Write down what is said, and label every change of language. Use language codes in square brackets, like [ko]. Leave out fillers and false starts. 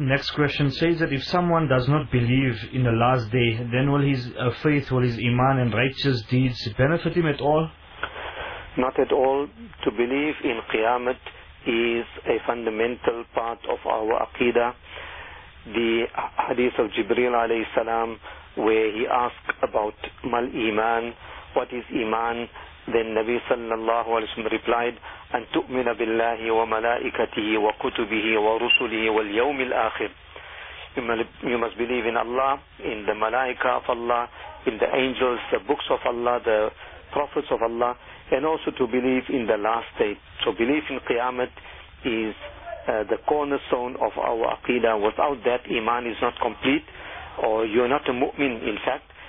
[en] Next question says that if someone does not believe in the last day, then will his faith, will his iman and righteous deeds benefit him at all? Not at all. To believe in Qiyamah is a fundamental part of our aqidah. The hadith of Jibreel alayhi salam, where he asked about mal iman, what is iman? Then Nabi sallallahu alayhi wa sallam replied, [ar] أن تؤمن بالله وملائكته وكتبه ورسله واليوم الآخر. [en] You must believe in Allah, in the malaika of Allah, in the angels, the books of Allah, the prophets of Allah, and also to believe in the last day. So belief in Qiyamah is the cornerstone of our aqidah. Without that, iman is not complete, or you're not a mu'min, in fact.